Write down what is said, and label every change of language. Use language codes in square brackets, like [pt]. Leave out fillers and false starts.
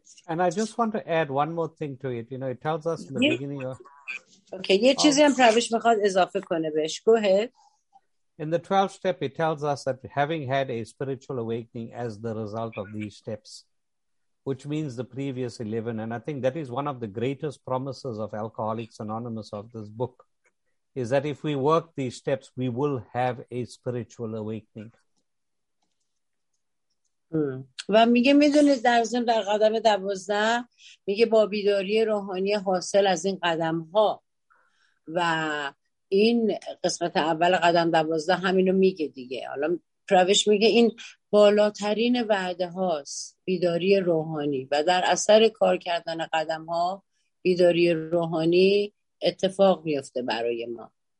[en] And I just want to add one more thing to it. You know, it tells us in the beginning of... [fa] Okay, یه چیزی هم پروش میخواد اضافه کنه بهش. [en] Go ahead. In the 12th step, it tells us that having had a spiritual awakening as the result of these steps, which means the previous 11, and I think that is one of the greatest promises of Alcoholics Anonymous of this book, is that if we work these steps, we will have a spiritual awakening. [fa] و میگه میدونید در ضمن در قدم 12 میگه با بیداری روحانی حاصل از این قدم ها، و این قسمت اول قدم 12 همینو میگه دیگه. حالا پروش میگه این بالاترین وعده هاست، بیداری روحانی، و در اثر کار کردن قدم ها بیداری روحانی اتفاق میفته برای ما.